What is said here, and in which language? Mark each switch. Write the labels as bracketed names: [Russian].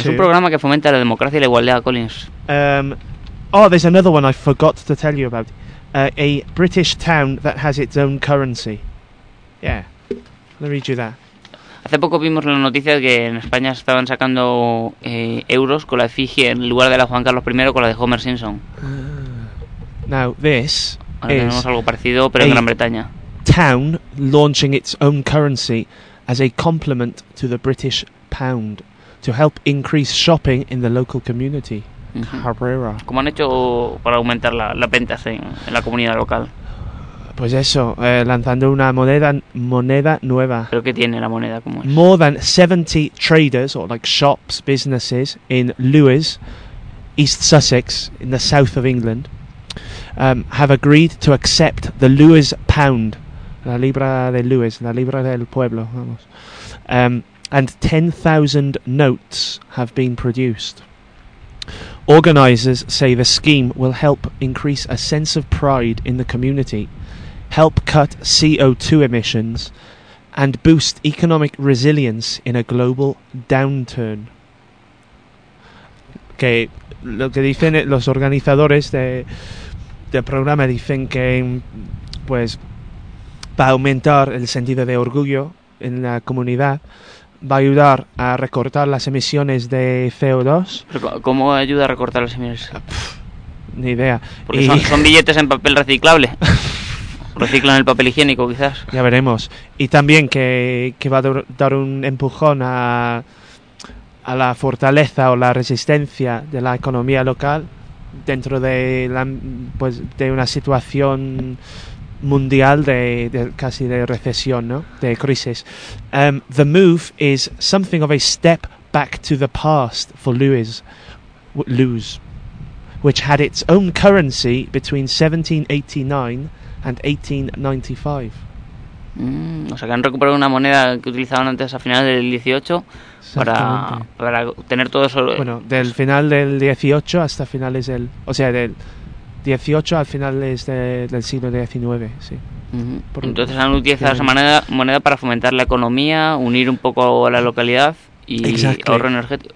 [Spanish] Es un programa que fomenta la democracia y la igualdad, Collins. [English] Oh, there's another one I forgot to tell you about. A British town that has its own currency. Yeah, let me read you that. [Spanish] Hace poco vimos la noticia de que en España estaban sacando euros con la efigie en lugar de la Juan Carlos I con la de Homer Simpson. [English] Now, this [Spanish] ahora [English] is [Spanish] tenemos algo parecido, pero en Gran Bretaña. [English] Town launching its own currency as a complement to the British pound to help increase shopping in the local community. [Spanish] Cabrera. ¿Cómo han hecho para aumentar la ventas en la comunidad local? Pues eso, lanzando una moneda nueva. ¿Pero qué tiene la moneda? ¿Cómo es? [English] More than 70 traders, or like shops, businesses, in Lewes, East Sussex, in the south of England, have agreed to accept the Lewes pound. [Spanish] La libra de Lewes, la libra del pueblo, vamos. [English] And 10,000 notes have been produced. Organizers say the scheme will help increase a sense of pride in the community, help cut CO2 emissions, and boost economic resilience in a global downturn. [Spanish] Que lo que dicen los organizadores del programa dicen que, pues, va a aumentar el sentido de orgullo en la comunidad, va a ayudar a recortar las emisiones de CO2. ¿Cómo ayuda a recortar las emisiones? Ni idea. Porque son billetes en papel reciclable. Reciclan el papel higiénico, quizás. Ya veremos. Y también que va a dar un empujón a la fortaleza o la resistencia de la economía local dentro de de una situación mundial de casi de recesión, ¿no? De crisis. [English] The move is something of a step back to the past for Lewes, which had its own currency between 1789 and 1895. [Spanish] O sea, que han recuperado una moneda que utilizaban antes a finales del 18 para tener todo eso. Bueno, del final del 18 hasta finales del... O sea, del 18 al final del siglo XIX, sí. Uh-huh. Entonces han utilizado esa moneda para fomentar la economía, unir un poco a la localidad y ahorro energético.